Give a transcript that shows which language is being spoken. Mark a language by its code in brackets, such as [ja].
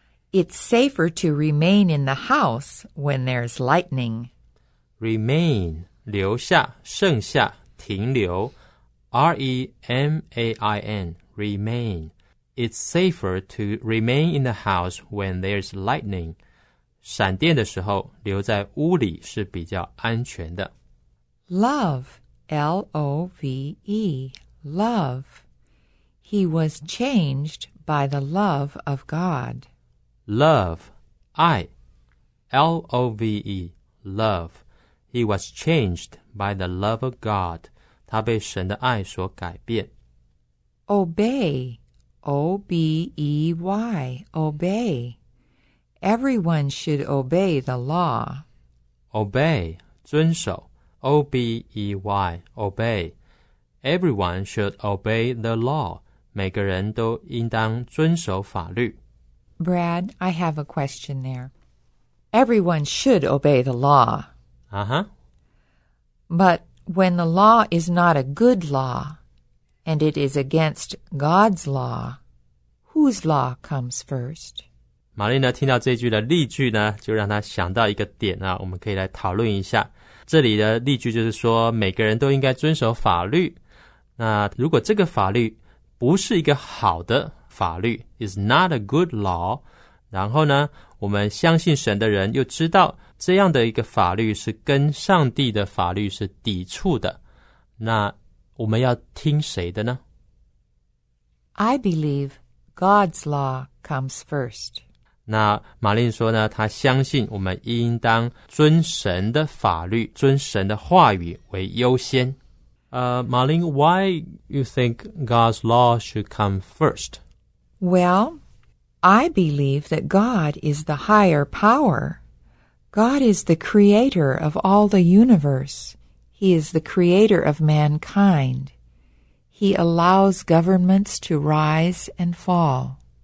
[en] It's safer to remain in the house when there's lightning. [zh] Remain, 留下,剩下,停留。 [en] R-E-M-A-I-N, remain. It's safer to remain in the house when there's lightning. [zh] 闪电的时候,留在屋里是比较安全的。 [en] Love, L-O-V-E, love. He was changed by the love of God. Love, 爱, L-O-V-E, love. He was changed by the love of God. [zh] 他被神的爱所改变。 [en] Obey, O-B-E-Y, obey. Everyone should obey the law. Obey, 遵守, O-B-E-Y, obey. Everyone should obey the law. 每个人都应当遵守法律。 Brad, I have a question there. Everyone should obey the law. Uh-huh. But when the law is not a good law, and it is against God's law, whose law comes first? [zh] 玛丽呢，听到这句的例句呢，就让她想到一个点啊，我们可以来讨论一下。这里的例句就是说，每个人都应该遵守法律。那如果这个法律不是一个好的法律 , [en] is not a good law, [zh] 然后呢，我们相信神的人又知道这样的一个法律是跟上帝的法律是抵触的，那我们要听谁的呢？ [en] I believe God's law comes first. [zh] 那玛丽说呢，她相信我们应当遵神的法律，遵神的话语为优先。 [en] Marlene, why you think God's law should come first? Well, I believe that God is the higher power. God is the creator of all the universe. He is the creator of mankind. He allows governments to rise and fall.